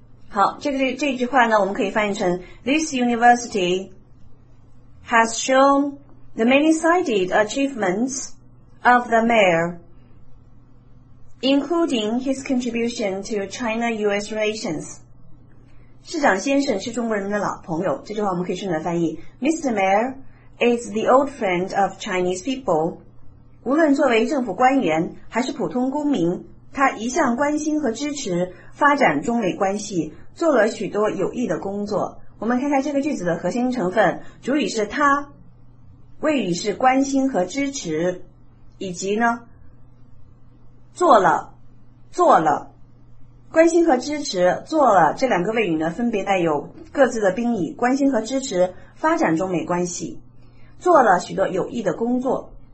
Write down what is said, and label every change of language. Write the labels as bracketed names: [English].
[Chinese] 好，这句话呢我们可以翻译成 [English] This university has shown the many-sided achievements of the mayor, including his contribution to China-US relations. [Chinese] 市长先生是中国人民的老朋友，这句话我们可以顺着翻译 [English] Mr. Mayor is the old friend of Chinese people. [Chinese] 无论作为政府官员还是普通公民，他一向关心和支持发展中美关系，做了许多有益的工作。我们看看这个句子的核心成分，主语是他，谓语是关心和支持，以及呢做了关心和支持做了这两个谓语呢分别带有各自的宾语，关心和支持发展中美关系，做了许多有益的工作。